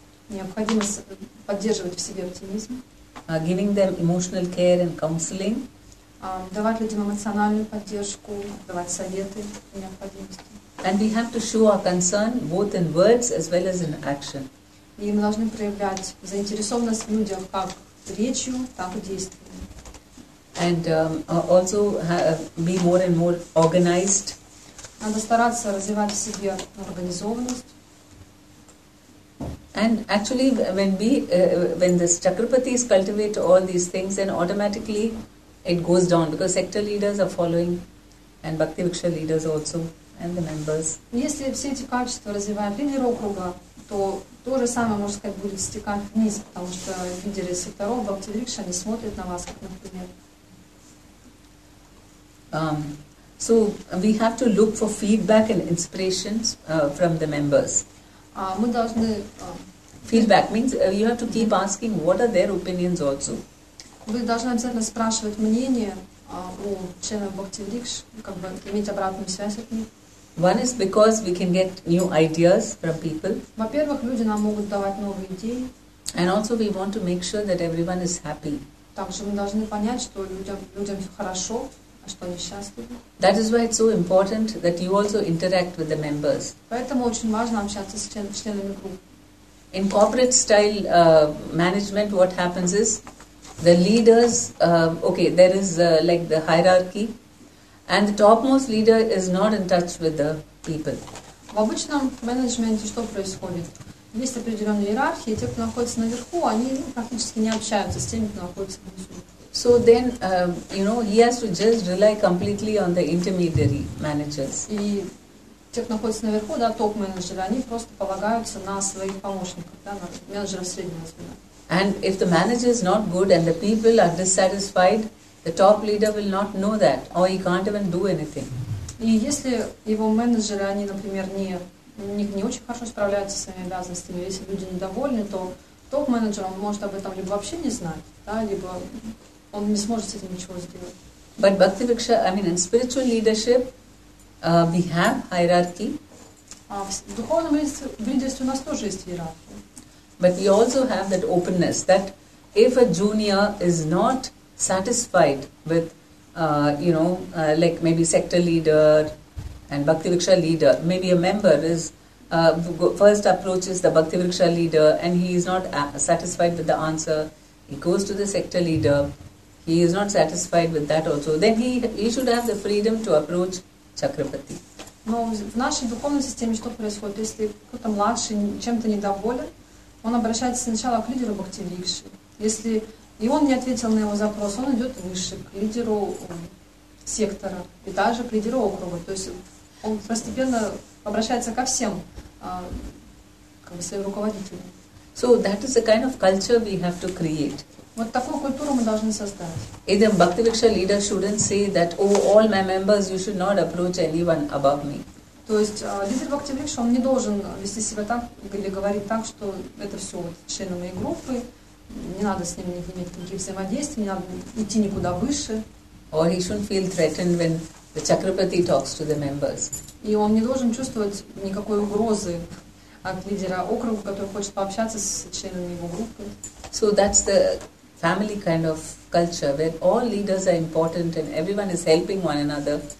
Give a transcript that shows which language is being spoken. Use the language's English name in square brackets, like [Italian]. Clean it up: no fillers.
[Russian] Необходимо поддерживать в себе оптимизм. [English] Giving them emotional care and counseling. [Russian] Давать людям эмоциональную поддержку, давать советы при необходимости. [English] And we have to show our concern both in words as well as in action. [Russian] И мы должны проявлять заинтересованность в людях как речью, так и действиями. [English] And also be more and more organized. [Russian] Надо стараться развивать в себе организованность. [English] And actually, when this Chakrapatis cultivate all these things, then automatically it goes down because sector leaders are following, and Bhakti Viksha leaders also, and the members. [Russian] Если все эти качества развивают лидеры округа, то же самое, можно сказать, будет стекать вниз, потому что лидеры секторов, Бхакти Викша, они смотрят на вас, как, например. [English] So we have to look for feedback and inspirations from the members. [Russian] Мы должны [English] feedback means you have to keep asking what are their opinions also. [Russian] Вы должны обязательно спрашивать мнение у членов Бхакти Викш, как бы иметь обратную связь от них. [English] One is because we can get new ideas from people. [Russian] Во-первых, люди нам могут давать новые идеи. [English] And also we want to make sure that everyone is happy. [Russian] Также мы должны понять, что людям хорошо, что они счастливы. [English] That is why it's so important that you also interact with the members. [Russian] Поэтому очень важно общаться с членами группы. [English] In corporate style management, what happens is the leaders, okay, there is like the hierarchy, and the topmost leader is not in touch with the people. [Russian] В обычном менеджменте что происходит? Есть определенные иерархии, те, кто находится наверху, они практически не общаются с теми, кто находится внизу. [English] So then, you know, he has to just rely completely on the intermediary managers. [Russian] И те, кто находится наверху, да, топ-менеджеры, они просто полагаются на своих помощников, да, на менеджеров среднего звена. [English] And if the manager is not good and the people are dissatisfied, the top leader will not know that, or he can't even do anything. [Russian] И если его менеджеры, они, например, не очень хорошо справляются с своими обязанностями, если люди недовольны, то топ-менеджер, он может об этом либо вообще не знать, да, либо он не сможет с этим ничего сделать. [English] But Bhakti Bhiksha, I mean, in spiritual leadership, we have hierarchy. [Russian] В духовном лидерстве у нас тоже есть иерархия. [English] But we also have that openness, that if a junior is not satisfied with, you know, like maybe sector leader and Bhakti Bhiksha leader, maybe a member is first approaches the Bhakti Bhiksha leader and he is not satisfied with the answer, he goes to the sector leader, he is not satisfied with that also, then he should have the freedom to approach Chakrapati. [Russian] Но в нашей духовной системе что происходит? Если кто-то младший чем-то недоволен, он обращается сначала к лидеру Бхактивикши. Если и он не ответил на его запрос, он идет выше, к лидеру сектора и также к лидеру округа. То есть он постепенно обращается ко всем, как бы своим руководителям. [English] So that is the kind of culture we have to create. [Russian] Вот такую культуру мы должны создать. [English] Either Bhakti Bhiksha leader shouldn't say that, oh, all my members, you should not approach anyone above me. [Russian] То есть лидер Бхакти Брикша, он не должен вести себя так или говорить так, что это все вот, члены моей группы, не надо с ними иметь никаких взаимодействий, не надо идти никуда выше. [English] Or he shouldn't feel threatened when the Chakrapati talks to the members. [Russian] И он не должен чувствовать никакой угрозы от лидера округа, который хочет пообщаться с членами его группы. [English] So that's the family kind of culture, where all leaders are important and everyone is helping one another.